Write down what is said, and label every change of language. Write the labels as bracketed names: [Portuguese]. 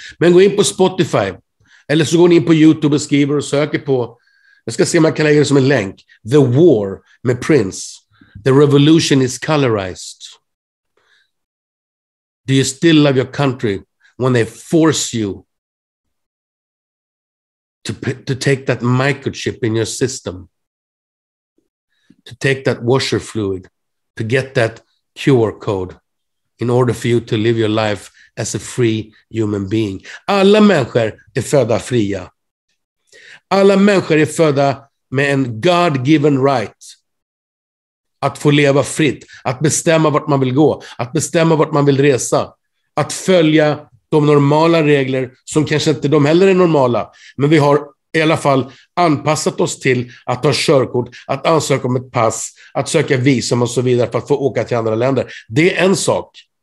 [Swedish] Men gå in på Spotify eller så går ni in på YouTube och skriver och söker på, jag ska se om jag kan lägga det som en länk, The War med Prince. [English] The revolution is colorized. Do you still love your country when they force you to take that microchip in your system? To take that washer fluid, to get that QR code in order for you to live your life as a free human being. [Swedish] Alla människor är födda fria. Alla människor är födda med en [English] God-given right [Swedish] att få leva fritt, att bestämma vart man vill gå, att bestämma vart man vill resa, att följa de normala regler som kanske inte de heller är normala, men vi har i alla fall anpassat oss till att ta körkort, att ansöka om ett pass, att söka visum och så vidare för att få åka till andra länder. Det är en sak.